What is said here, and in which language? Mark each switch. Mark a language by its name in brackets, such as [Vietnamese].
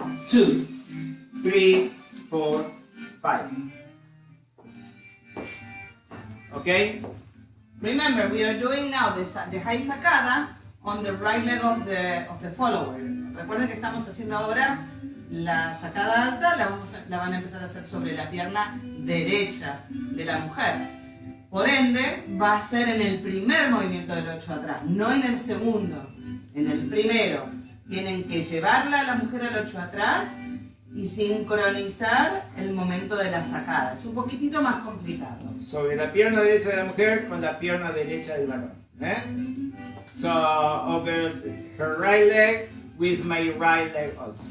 [English] Two, three, four, five. Okay? Remember, we are doing now the high sacada on the right leg of the follower. [Spanish] Recuerden que estamos haciendo ahora la sacada alta, la van a empezar a hacer sobre la pierna derecha de la mujer. Por ende, va a ser en el primer movimiento del 8 atrás, no en el segundo, en el primero. Tienen que llevarla a la mujer al 8 atrás y sincronizar el momento de la sacada. Es un poquitito más complicado. Sobre la pierna derecha de la mujer con la pierna derecha del varón. ¿Eh? [English] So, over her right leg with my right leg also.